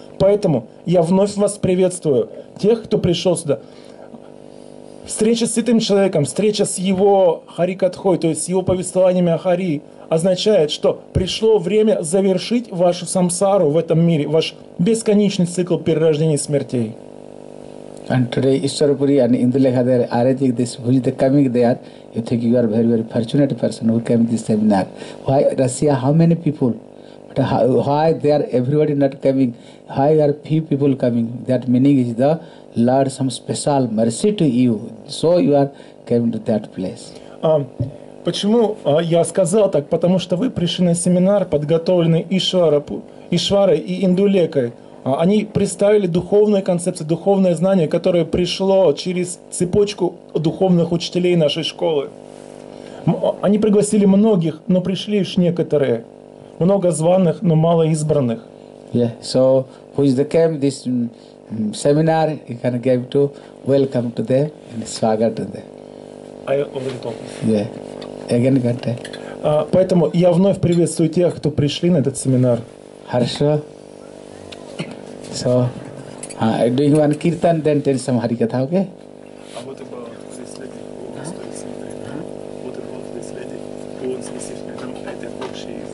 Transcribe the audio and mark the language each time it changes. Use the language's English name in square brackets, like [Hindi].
[Russian] Поэтому я вновь вас приветствую, тех, кто пришел сюда. Встреча с святым человеком, встреча с его харикатхой, то есть с его повествованиями о хари, означает, что пришло время завершить вашу самсару в этом мире, ваш бесконечный цикл перерождений смертей. [English] And today Ishwarpuri and Indulekha are arranging this, who is the coming there. You think you are a very, very fortunate person who came to this seminar. Why Russia, how many people? But why they are everybody not coming? Why are few people coming? That meaning is the Lord some special mercy to you. So you are coming to that place. [Russian] Почему я сказал так? Потому что вы пришли на семинар, подготовленный Ишварой и Индулекой. Они представили духовные концепции, духовное знание, которое пришло через цепочку духовных учителей нашей школы. Они пригласили многих, но пришли лишь некоторые. Много званых, но мало избранных. [English] Yeah. So, who is the came this seminar, you can give to welcome to them and swagat to them. I already told you. Yeah. Again, got it. [Russian] Поэтому я вновь приветствую тех, кто пришли на этот семинар. Хорошо. [English] So, doing one kirtan, then tell some harikatha, okay? What about this lady who wants to listen? What about this lady who wants to listen? I don't know, I think she is